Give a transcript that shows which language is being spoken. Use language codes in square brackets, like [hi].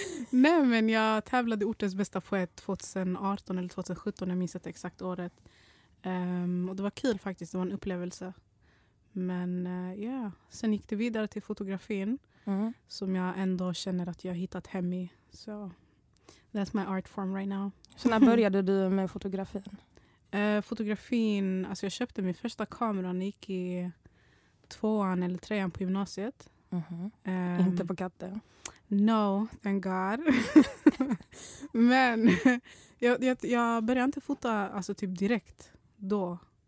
[sv] Nej, men jag tävlade ortens bästa poet 2018 eller 2017, jag minns inte exakt året. Och det var kul faktiskt, det var en upplevelse. Men ja, sen gick det vidare till fotografin, som jag ändå känner att jag har hittat hem i. [en] So, that's my art form right now. [sv] Så när började du med fotografin? Fotografin, alltså jag köpte min första kamera när jag gick i 2:an eller 3:an på gymnasiet. Mm-hmm. Inte på katten. [en] No, thank God. [sv] Men jag började inte fota alltså typ direkt då.